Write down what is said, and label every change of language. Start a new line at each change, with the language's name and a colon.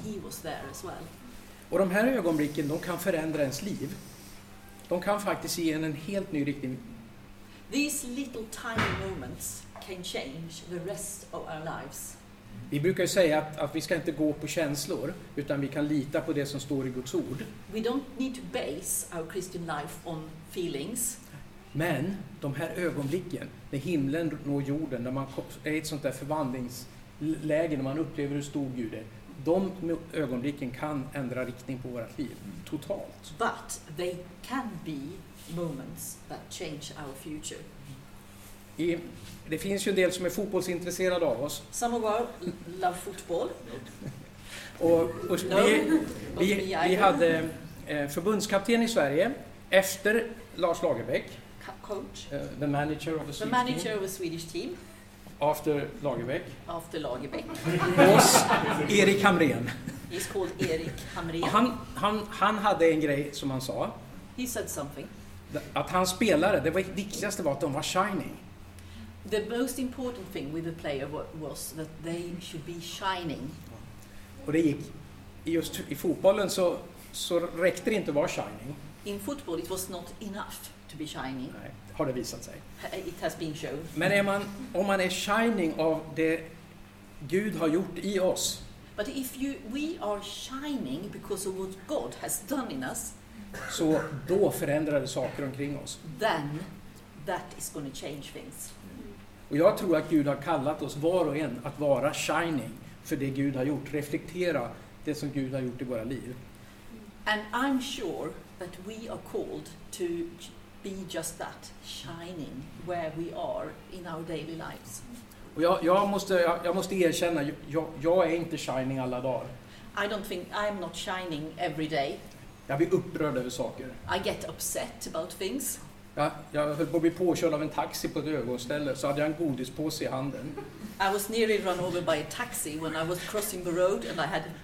English: He was there as well.
Swedish: Och de här ögonblicken, de kan förändra ens liv. De kan faktiskt ge en helt ny riktning.
English: These little tiny moments can change the rest of our lives.
Swedish: Vi brukar ju säga att vi ska inte gå på känslor, utan vi kan lita på det som står i Guds ord.
English: We don't need to base our Christian life on feelings.
Swedish: Men de här ögonblicken, när himlen når jorden, när man är i ett sånt där förvandlingsläge, när man upplever hur stor Gud är, de ögonblicken kan ändra riktning på våra liv totalt.
English: But they can be moments that change our future.
Swedish: Det finns ju en del som är fotbollsintresserade av oss.
English: Some of us love football. och no.
Swedish: vi hade förbundskapten i Sverige efter Lars Lagerbäck.
English: Coach. The manager of the Swedish team. The manager of a Swedish team. After Lagerbäck. Boss Erik Hamrén. He's called Erik Hamrén.
Swedish: Han hade en grej som han sa.
English: He said something.
Swedish: Att han spelare, det viktigaste var att de var shining.
English: The most important thing with the player was that they should be shining.
Swedish: Och det gick, just i fotbollen så räckte det inte att vara shining.
English: In football it was not enough to be shining.
Swedish: Nej, har det visat sig.
English: It has been shown.
Swedish: Men om man är shining av det Gud har gjort i oss.
English: But if we are shining because of what God has done in us.
Swedish: Så då förändrar det saker omkring oss.
English: Then that is going to change things.
Swedish: Och jag tror att Gud har kallat oss var och en att vara shining för det Gud har gjort. Reflektera det som Gud har gjort i våra liv.
English: And I'm sure that we are called to be just that, shining where we are in our daily lives.
Swedish: Och jag måste erkänna, jag är inte shining alla dagar.
English: I don't think I'm not shining every day.
Swedish: Jag blir upprörd över saker.
English: I get upset about things.
Swedish: Jag höll på att bli påkörd av en taxi på ett övergångsställe, så hade jag en godispåse i handen.
English: I was nearly run over by a taxi when I was crossing the road and I had